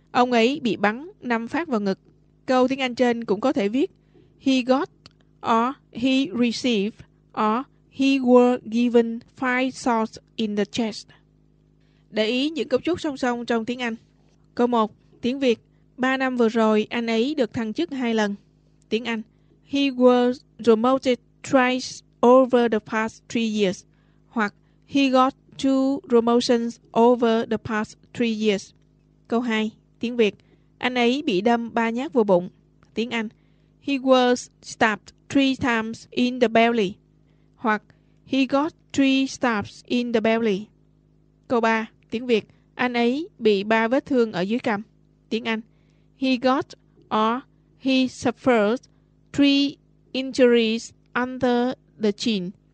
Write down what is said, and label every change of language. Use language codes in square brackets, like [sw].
[vi] Ông ấy bị bắn 5 phát vào ngực. Câu tiếng Anh trên cũng có thể viết [en] He got or he received or he were given 5 shots in the chest. [vi] Để ý những cấu trúc song song trong tiếng Anh. Câu 1, tiếng Việt. 3 năm vừa rồi, anh ấy được thăng chức 2 lần. Tiếng Anh. [en] He was promoted twice over the past 3 years. [vi] Hoặc [en] he got 2 promotions over the past 3 years. [vi] Câu 2. Tiếng Việt. Anh ấy bị đâm 3 nhát vào bụng. Tiếng Anh. [en] He was stabbed 3 times in the belly. [vi] Hoặc [en] he got 3 stabs in the belly. [vi] Câu 3. Tiếng Việt. Anh ấy bị 3 vết thương ở dưới cằm. Tiếng Anh. [en] He got or he suffered 3 injuries under the chin.